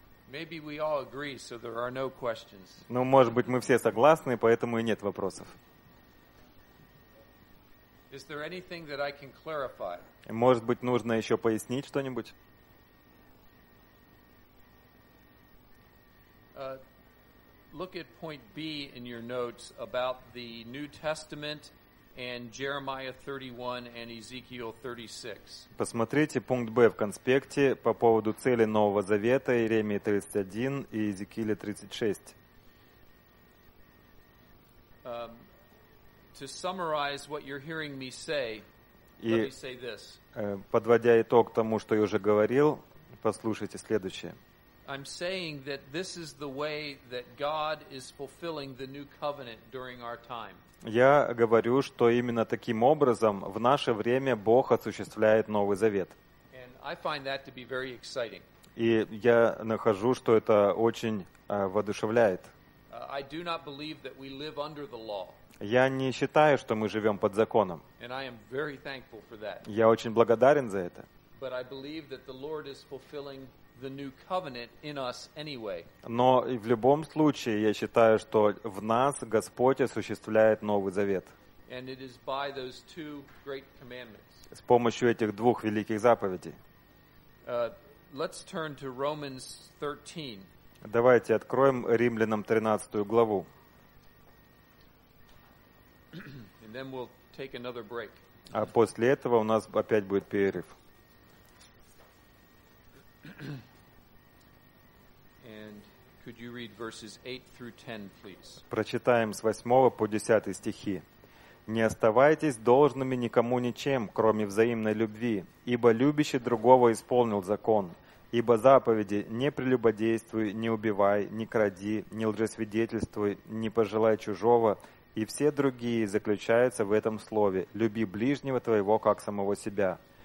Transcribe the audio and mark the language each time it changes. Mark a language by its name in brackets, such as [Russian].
[English] Maybe we all agree, so there are no questions. [Russian] Ну, может быть, мы все согласны, поэтому и нет вопросов. [English] Is there anything that I can clarify? [Russian] Может быть, нужно еще пояснить что-нибудь? [English] Look at point B in your notes about the New Testament and Jeremiah 31 and Ezekiel 36. [Russian] Посмотрите пункт Б в конспекте по поводу цели Нового Завета, Иеремии 31 и Иезекииле 36. [English] To summarize what you're hearing me say, let me say this. [Russian] Подводя итог тому, что я уже говорил, послушайте следующее. [English] I'm saying that this is the way that God is fulfilling the new covenant during our time. [Russian] Я говорю, что именно таким образом в наше время Бог осуществляет Новый Завет. [English] And I find that to be very exciting. [Russian] И я нахожу, что это очень воодушевляет. [English] I do not believe that we live under the law. [Russian] Я не считаю, что мы живем под законом. [English] And I am very thankful for that. [Russian] Я очень благодарен за это. [English] But I believe that the Lord is fulfilling the new covenant in us anyway. [Russian] Но в любом случае я считаю, что в нас Господь осуществляет Новый Завет. [English] And it is by those two great commandments. [Russian] С помощью этих двух великих заповедей. [English] Let's turn to Romans 13. [Russian] Давайте откроем Римлянам 13 главу. [English] And then we'll take another break. [Russian] А после этого у нас опять будет перерыв. [English] And could you read verses 8 through 10, please? [Russian] Прочитаем с 8 по 10 стихи. «Не оставайтесь должными никому ничем, кроме взаимной любви, ибо любящий другого исполнил закон, ибо заповеди «не прелюбодействуй, не убивай, не кради, не лжесвидетельствуй, не пожелай чужого» и все другие заключаются в этом слове «люби ближнего твоего, как самого себя».